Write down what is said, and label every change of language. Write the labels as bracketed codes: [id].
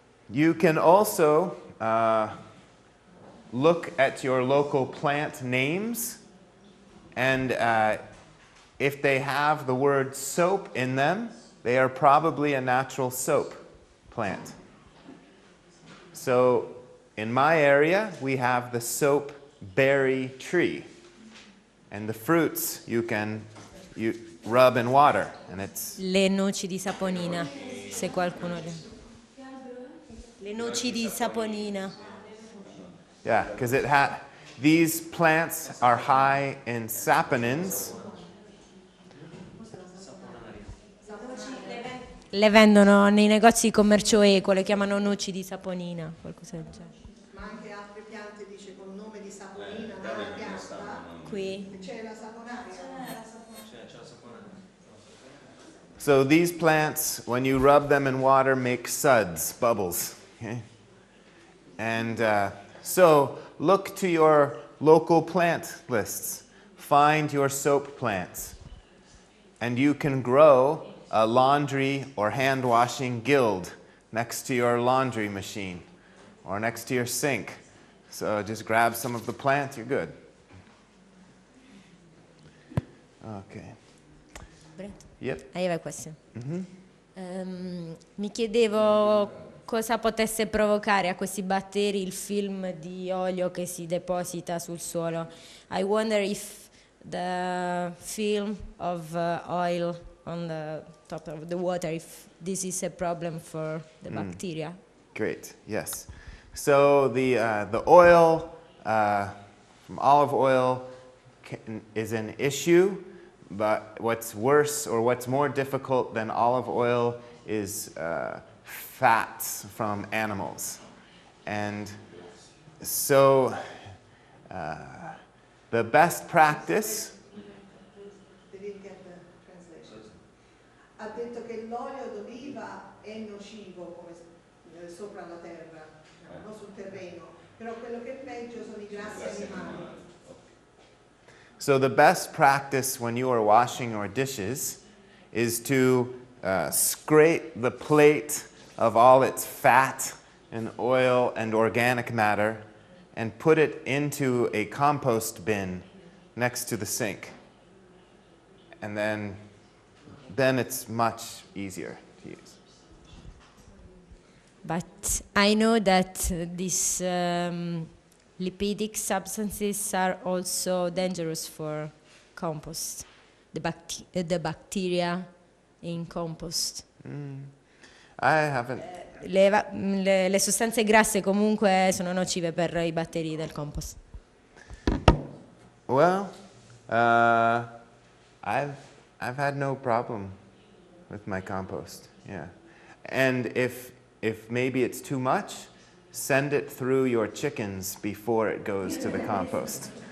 [en] You can also look at your local plant names, and if they have the word soap in them, they are probably a natural soap plant. So in my area, we have the soap berry tree, and the fruits you can rub in water, and it's [it] le noci di saponina, se qualcuno le noci di saponina. [en] Yeah, because it had these plants are high in saponins. [it] Le vendono nei negozi di commercio eco, le chiamano noci di saponina, qualcosa del genere. Ma anche altre piante dice con nome di saponina, la pianta qui. [en] So these plants, when you rub them in water, make suds, bubbles. Okay? And so look to your local plant lists. Find your soap plants. And you can grow a laundry or hand washing guild next to your laundry machine or next to your sink. So just grab some of the plants, you're good. Okay. Yep. I have a question. Mm-hmm. [it] Mi chiedevo cosa potesse provocare a questi batteri il film di olio che si deposita sul suolo. [en] I wonder if the film of oil on the top of the water, if this is a problem for the bacteria. Great, yes. So the oil, from olive oil, is an issue. But what's worse or what's more difficult than olive oil is fats from animals. And so the best practice... They didn't get the translation. [it] Ha detto che l'olio d'oliva è nocivo sopra la terra, non sul terreno. Però quello che è peggio sono I grassi animali. [en] So the best practice when you are washing your dishes is to scrape the plate of all its fat and oil and organic matter and put it into a compost bin next to the sink. And then it's much easier to use. But I know that this... lipidic substances are also dangerous for compost, the bacteria in compost. I haven't... [it] Le sostanze grasse comunque sono nocive per I batteri del compost. [en] Well, I've had no problem with my compost, yeah. And if maybe it's too much, send it through your chickens before it goes to the compost.